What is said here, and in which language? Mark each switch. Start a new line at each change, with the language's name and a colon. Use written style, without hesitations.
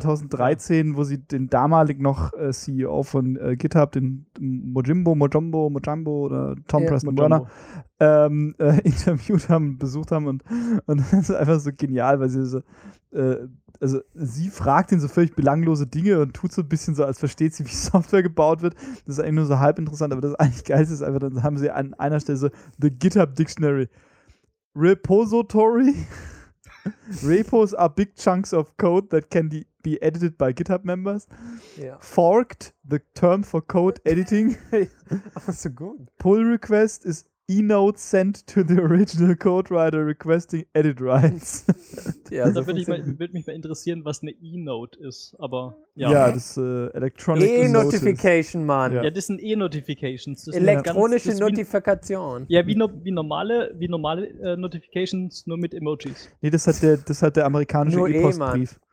German: 2013, wo sie den damalig noch CEO von GitHub, den Mojimbo oder Tom Preston Turner, interviewt haben, besucht haben und das ist einfach so genial, weil sie so also sie fragt ihn so völlig belanglose Dinge und tut so ein bisschen so, als versteht sie, wie Software gebaut wird. Das ist eigentlich nur so halb interessant, aber das eigentlich geilste ist einfach, dann haben sie an einer Stelle so
English: The GitHub Dictionary. Repository. Repos are big chunks of code that can be edited by GitHub members. Yeah. Forked, the term for code editing. That's so good. Pull request is E-Note sent to the original code writer requesting edit rights.
German: Ja, da würde mich mal interessieren, was eine E-Note ist, aber ja. Ja, das ist Electronic E-Notification, Mann. Ja, das sind E-Notifications. Das elektronische ganz, Notifikation. Wie normale Notifications, nur mit Emojis. Nee, das hat der amerikanische E-Postbrief.